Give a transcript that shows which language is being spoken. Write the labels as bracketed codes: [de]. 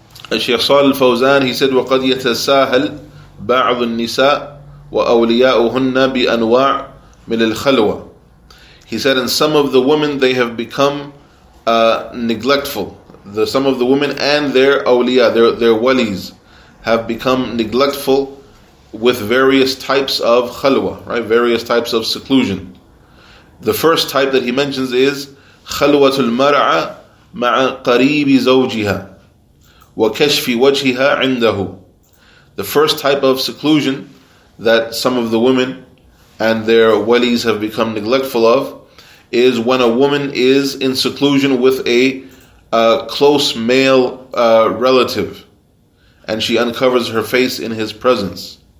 [ar] الشيخ صالح الفوزان, [en] he said, [ar] وَقَدْ يَتَسَاهَلْ بَعْضُ النِّسَاءِ وَأَوْلِيَاؤُهُنَّ بِأَنْوَاعِ مِنَ الْخَلْوَةِ. [en] He said, and some of the women, they have become neglectful. Some of the women and their awliya, their walis, have become neglectful with various types of khalwa, right? Various types of seclusion. The first type that he mentions is [ar] خَلْوَةُ الْمَرْعَى مَعَ قَرِيبِ زَوْجِهَا وَكَشْفِ وَجْهِهَا عِنْدَهُ. [en] The first type of seclusion that some of the women and their walis have become neglectful of is when a woman is in seclusion with a close male relative and she uncovers her face in his presence.